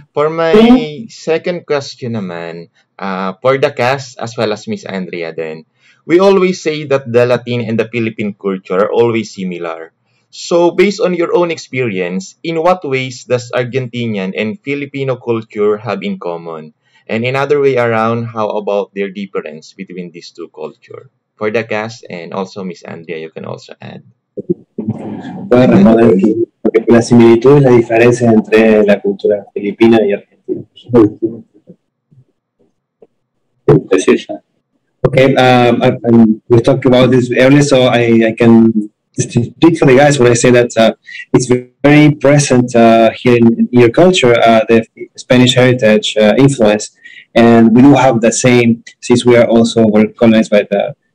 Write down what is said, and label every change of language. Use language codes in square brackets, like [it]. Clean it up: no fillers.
[en] For my second question naman, for the cast as well as Miss Andrea then, we always say that the Latin and the Philippine culture are always similar. So, based on your own experience, in what ways does Argentinian and Filipino culture have in common? And another way around, how about their difference between these two cultures? For the cast and also Miss Andrea, you can also add. [es] Bueno, la similitud es la diferencia entre la cultura filipina y argentina. [en] Okay, we talked about this earlier, so I can speak for the guys when I say that it's very present here in your culture, the Spanish heritage influence, and we do have the same since we are also were colonized by the.